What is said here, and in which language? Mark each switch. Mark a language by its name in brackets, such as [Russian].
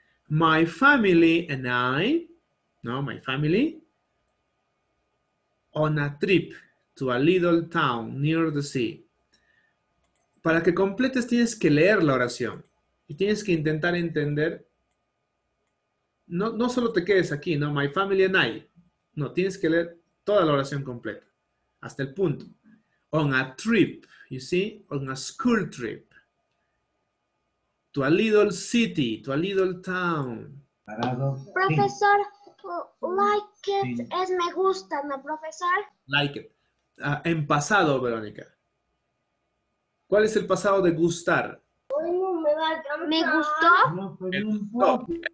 [English] My family and I, no, my family, on a trip to a little town near the sea. [Spanish] Para que completes, tienes que leer la oración. Y tienes que intentar entender. No solo te quedes aquí, no, [English] my family and I. [Spanish] No, tienes que leer toda la oración completa. Hasta el punto. [English] On a trip, you see, on a school trip. To a little city, to a little town. [Spanish] Profesor, [English] like it [Spanish] es me gusta, ¿no, profesor? [English] Like it. [Spanish] En pasado, Verónica. ¿Cuál es el pasado de gustar? Me gustó.